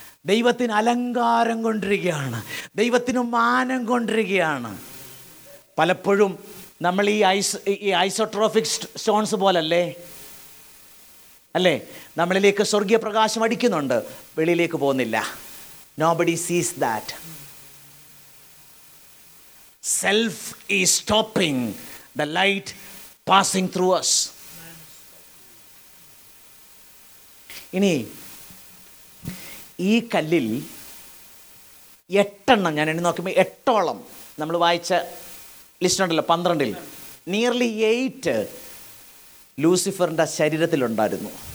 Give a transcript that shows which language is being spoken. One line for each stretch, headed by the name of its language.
Malayalam: ദൈവത്തിന് അലങ്കാരം കൊണ്ടിരിക്കുകയാണ്, ദൈവത്തിന് മാനം കൊണ്ടിരിക്കുകയാണ്. പലപ്പോഴും നമ്മൾ ഈ ഐസോട്രോഫിക് സ്റ്റോൺസ് പോലല്ലേ, അല്ലേ? നമ്മളിലേക്ക് സ്വർഗീയ പ്രകാശം അടിക്കുന്നുണ്ട്, വെളിയിലേക്ക് പോകുന്നില്ല.
English: Nobody sees that. Self is stopping the light passing through us.
Malayalam: ഇനി ഈ കല്ലിൽ എട്ടെണ്ണം, ഞാൻ എണ്ണി നോക്കുമ്പോൾ എട്ടോളം, നമ്മൾ വായിച്ച ലിസ്റ്റ് ഉണ്ടല്ലോ 12, നിയർലി 8 ലൂസിഫറിൻ്റെ ശരീരത്തിലുണ്ടായിരുന്നു.